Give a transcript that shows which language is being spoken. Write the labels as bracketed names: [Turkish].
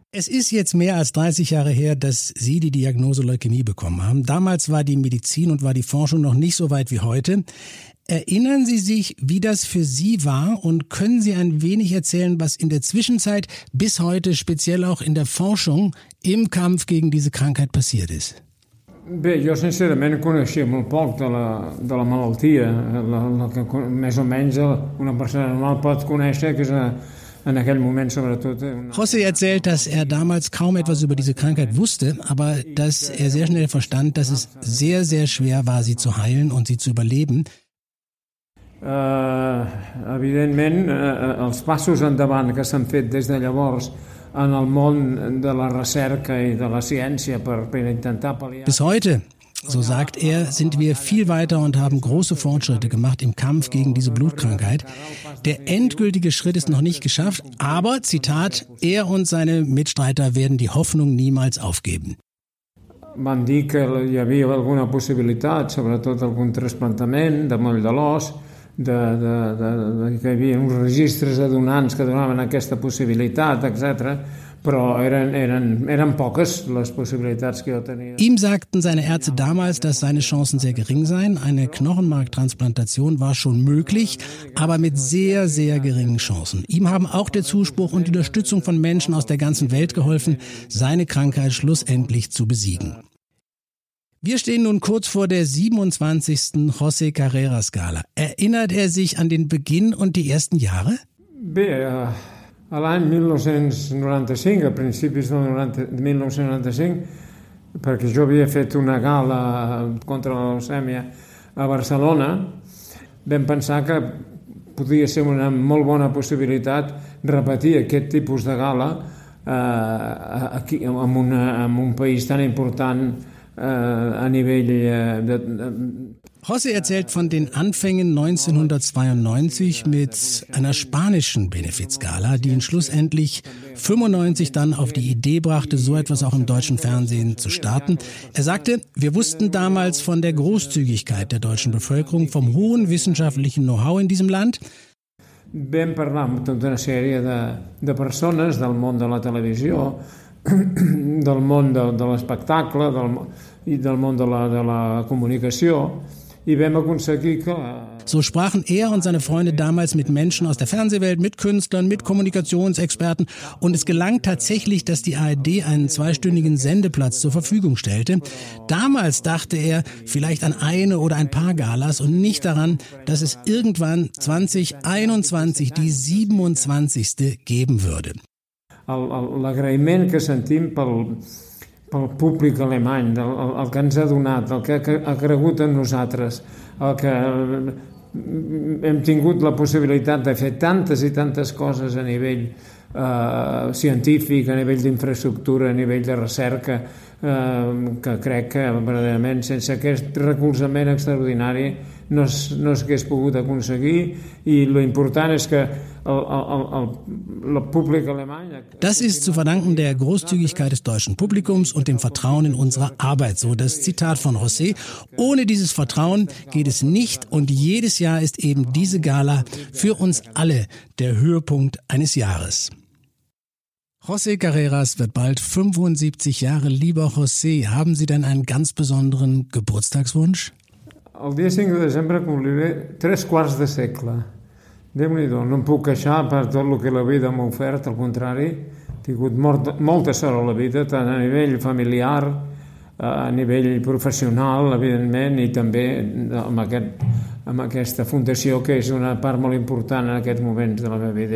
[German] Es ist jetzt mehr als 30 Jahre her, dass Sie die Diagnose Leukämie bekommen haben. Damals war die Medizin und war die Forschung noch nicht so weit wie heute. Erinnern Sie sich, wie das für Sie war, und können Sie ein wenig erzählen, was in der Zwischenzeit bis heute, speziell auch in der Forschung, im Kampf gegen diese Krankheit passiert ist? [Catalan] Jo sincerament coneixia molt poc de la malaltia, la que més o menys una persona normal pot conèixer, que és una... [German] José erzählt, dass er damals kaum etwas über diese Krankheit wusste, aber dass er sehr schnell verstand, dass es sehr, sehr schwer war, sie zu heilen und sie zu überleben. [Catalan] Evidentment, els passos endavant que s'han fet des de llavors en el món de la recerca i de la ciència per intentar pal·liar... [German] Bis heute, so sagt er, sind wir viel weiter und haben große Fortschritte gemacht im Kampf gegen diese Blutkrankheit. Der endgültige Schritt ist noch nicht geschafft, aber, Zitat, er und seine Mitstreiter werden die Hoffnung niemals aufgeben. [Catalan] van dir que hi havia alguna possibilitat, sobretot algun trasplantament de moll de l'os, que hi havia uns registres de donants que donaven aquesta possibilitat, etc. Però eren poques les possibilitats que jo tenia. [German] Ihm sagten seine Ärzte damals, dass seine Chancen sehr gering seien. Eine Knochenmarktransplantation war schon möglich, aber mit sehr, sehr geringen Chancen. Ihm haben auch der Zuspruch und die Unterstützung von Menschen aus der ganzen Welt geholfen, seine Krankheit schlussendlich zu besiegen. Wir stehen nun kurz vor der 27. José Carrera-Skala. Erinnert er sich an den Beginn und die ersten Jahre? [Catalan] A l'any 1995, a principis del 1995, perquè jo havia fet una gala contra la leucèmia a Barcelona, vam pensar que podia ser una molt bona possibilitat repetir aquest tipus de gala aquí, en un país tan important a nivell de... [German] José erzählt von den Anfängen 1992 mit einer spanischen Benefizgala, die ihn schlussendlich 1995 dann auf die Idee brachte, so etwas auch im deutschen Fernsehen zu starten. Er sagte, wir wussten damals von der Großzügigkeit der deutschen Bevölkerung, vom hohen wissenschaftlichen Know-how in diesem Land. [Catalan] Vam parlar amb tota una sèrie de persones del món de la televisió, del món de l'espectacle i del món de la comunicació. [German] So sprachen er und seine Freunde damals mit Menschen aus der Fernsehwelt, mit Künstlern, mit Kommunikationsexperten. Und es gelang tatsächlich, dass die ARD einen zweistündigen Sendeplatz zur Verfügung stellte. Damals dachte er vielleicht an eine oder ein paar Galas und nicht daran, dass es irgendwann 2021 die 27. geben würde. [Catalan] L'agraïment que sentim pel públic alemany, el que ens ha donat, el que ha cregut en nosaltres, el que hem tingut la possibilitat de fer tantes i tantes coses a nivell científic, a nivell d'infraestructura, a nivell de recerca, que crec que, verdaderament, sense aquest recolzament extraordinari no s'hagués pogut aconseguir, i l'important és que [German] Das ist zu verdanken der Großzügigkeit des deutschen Publikums und dem Vertrauen in unsere Arbeit, so das Zitat von José. Ohne dieses Vertrauen geht es nicht und jedes Jahr ist eben diese Gala für uns alle der Höhepunkt eines Jahres. José Carreras wird bald 75 Jahre. Lieber José, haben Sie denn einen ganz besonderen Geburtstagswunsch? [Catalan] El dia 5 de desembre compliré 3/4 segle. Déu-n'hi-do, no em puc queixar per tot el que la vida m'ha ofert, al contrari, he tingut molta sort a la vida, tant a nivell familiar, a nivell professional, evidentment, i també amb aquesta fundació, que és una part molt important en aquests moments de la meva vida.